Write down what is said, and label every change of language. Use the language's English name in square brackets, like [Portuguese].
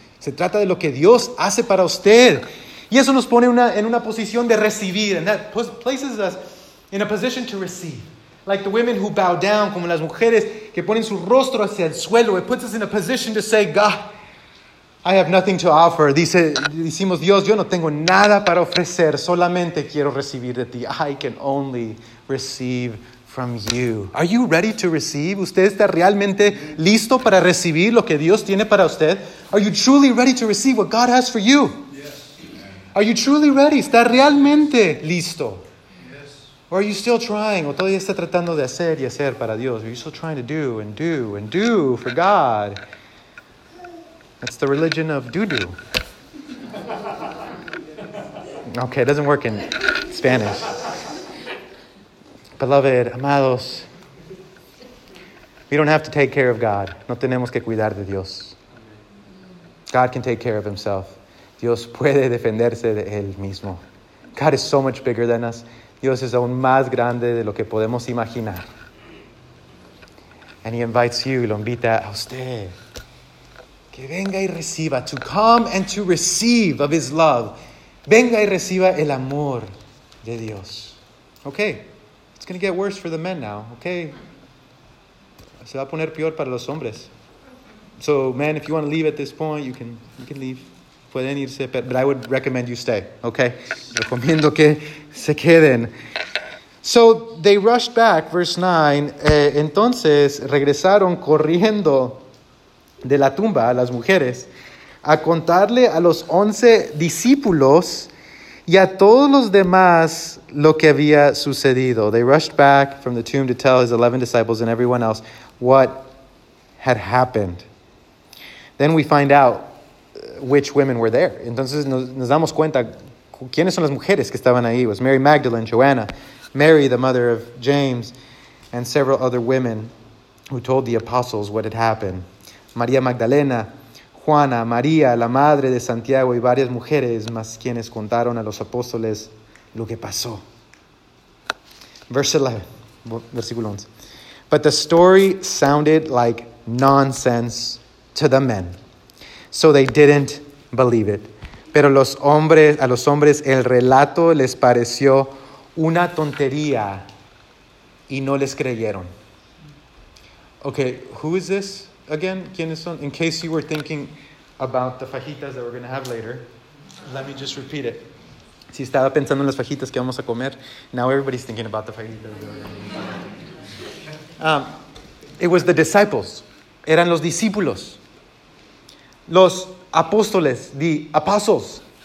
[Spanish] Se trata de lo que Dios hace para usted. Y eso nos pone en una posición de recibir. [English] And that places us in a position to receive. Like the women who bow down, [Spanish] como las mujeres que ponen su rostro hacia el suelo. [English] It puts us in a position to say, God, I have nothing to offer. [Spanish] Dice, decimos, Dios, yo no tengo nada para ofrecer. Solamente quiero recibir de ti. [English] I can only receive from you. Are you ready to receive? [Spanish] ¿Usted está realmente listo para recibir lo que Dios tiene para usted? [English] Are you truly ready to receive what God has for you? Yes. Are you truly ready? [Spanish] ¿Está realmente listo? [English] Yes. Or are you still trying? [Spanish] ¿O todavía está tratando de hacer y hacer para Dios? [English] Are you still trying to do and do and do for God? That's the religion of do-do. Okay, it doesn't work in Spanish. Beloved, amados, we don't have to take care of God. [Spanish] No tenemos que cuidar de Dios. [English] God can take care of himself. [Spanish] Dios puede defenderse de él mismo. [English] God is so much bigger than us. [Spanish] Dios es aún más grande de lo que podemos imaginar. [English] And he invites you, [Spanish] lo invita a usted. Que venga y reciba, [English] to come and to receive of his love. [Spanish] Venga y reciba el amor de Dios. [English] Okay, it's going to get worse for the men now, okay? [Spanish] Se va a poner peor para los hombres. [English] So, men, if you want to leave at this point, you can leave. [Spanish] Pueden irse, [English] but I would recommend you stay, okay? [Spanish] Recomiendo que se queden. [English] So, they rushed back, verse 9. [Spanish] Entonces, regresaron corriendo de la tumba a las mujeres a contarle a los 11 discípulos y a todos los demás lo que había sucedido. [English] They rushed back from the tomb to tell his 11 disciples and everyone else what had happened. Then we find out which women were there. [Spanish] Entonces nos damos cuenta quiénes son las mujeres que estaban ahí. [English] It was Mary Magdalene, Joanna, Mary the mother of James, and several other women who told the apostles what had happened. [Spanish] María Magdalena, Juana, María, la madre de Santiago y varias mujeres más quienes contaron a los apóstoles lo que pasó. Versículo 11. [English] But the story sounded like nonsense to the men, so they didn't believe it. [Spanish] Pero a los hombres el relato les pareció una tontería y no les creyeron. [English] Okay, who is this? Again, [Spanish] ¿quiénes son? [English] In case you were thinking about the fajitas that we're going to have later, let me just repeat it. [Spanish] Si estaba pensando en las fajitas que vamos a comer, [English] now everybody's thinking about the fajitas. It was the disciples. [Spanish] Eran los discípulos. Los apóstoles, [English] the apostles.